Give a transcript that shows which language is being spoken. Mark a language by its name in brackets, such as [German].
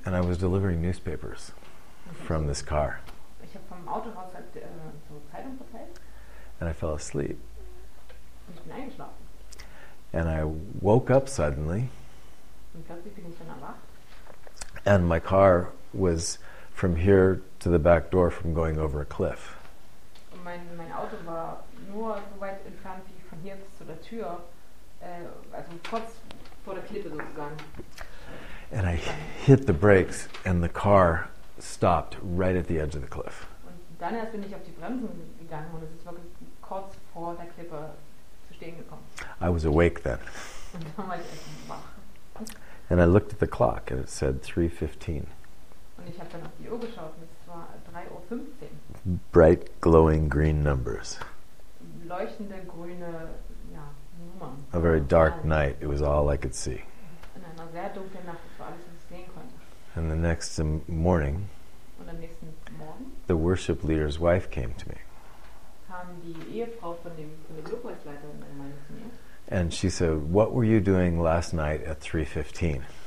[English] And I was delivering newspapers from this car. [German] Ich habe vom Autohaus halt so Zeitung verteilt. [English] And I fell asleep. [German] Und ich bin eingeschlafen. [English] And I woke up suddenly. [German] Und plötzlich bin ich dann erwacht. [English] And my car was from here to the back door from going over a cliff. [German] Mein Auto war nur so weit entfernt wie von hier bis zu der Tür, also kurz vor der Klippe sozusagen. [English] And I hit the brakes and the car stopped right at the edge of the cliff. [German] Und dann erst bin ich auf die Bremsen gegangen und es ist wirklich kurz vor der Klippe zu stehen gekommen. [English] I was awake then. [German] Und dann war ich echt wach. [English] And I looked at the clock and it said 3:15. [German] Und ich habe dann auf die Uhr geschaut und es war 3:15. [English] Bright glowing green numbers. [German] Leuchtende grüne, ja, Nummern. [English] A very dark night, it was all I could see. [German] In einer sehr dunklen Nacht, das war alles, was ich sehen konnte. [English] And the next morning, [German] und am nächsten Morgen, [English] the worship leader's wife came to me. [German] Kam die Ehefrau von der Lobpreisleiterin in meine Nähe. [English] And she said, "What were you doing last night at 3:15?"